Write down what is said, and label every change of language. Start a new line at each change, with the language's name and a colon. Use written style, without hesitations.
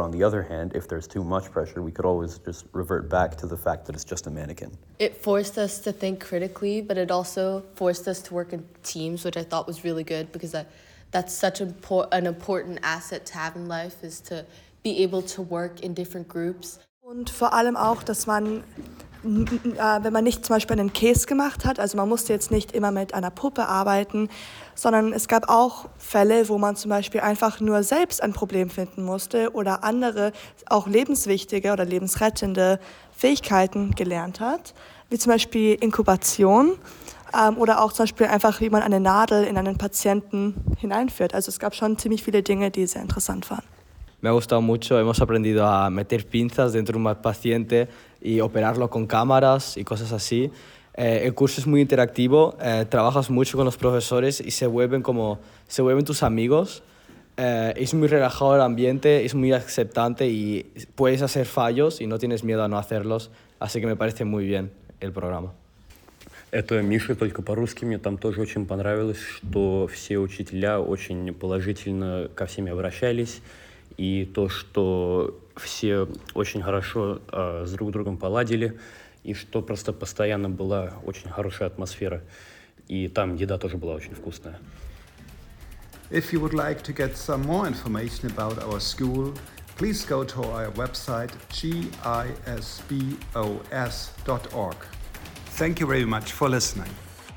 English: But on the other hand, if there's too much pressure, we could always just revert back to the fact that it's just a mannequin. It forced us to think critically, but it also forced us to work in teams, which I thought was really good, because that's such an important asset to have in life, is to be able to work in different groups.
German: Und vor allem auch, dass man, wenn man nicht zum Beispiel einen Case gemacht hat, also man musste jetzt nicht immer mit einer Puppe arbeiten, sondern es gab auch Fälle, wo man zum Beispiel einfach nur selbst ein Problem finden musste oder andere auch lebenswichtige oder lebensrettende Fähigkeiten gelernt hat, wie zum Beispiel Inkubation oder auch zum Beispiel einfach, wie man eine Nadel in einen Patienten hineinführt. Also es gab schon ziemlich viele Dinge, die sehr interessant waren.
Spanish: Me ha gustado mucho, hemos aprendido a meter pinzas dentro de un paciente y operarlo con cámaras y cosas así. El curso es muy interactivo, trabajas mucho con los profesores y se vuelven tus amigos. Es muy relajado el ambiente, es muy aceptante y puedes hacer fallos y no tienes miedo a no hacerlos. Así que me parece muy bien el programa.
Russian: Это Миша только по-русски. Мне там тоже очень понравилось, что все учителя очень положительно ко всеми обращались. И то, что все очень хорошо с друг другом поладили, и что просто постоянно была очень хорошая атмосфера. И там еда тоже была очень вкусная.
English: If you would like to get some more information about our school, please go to our website gisbos.org. Thank you very much for listening.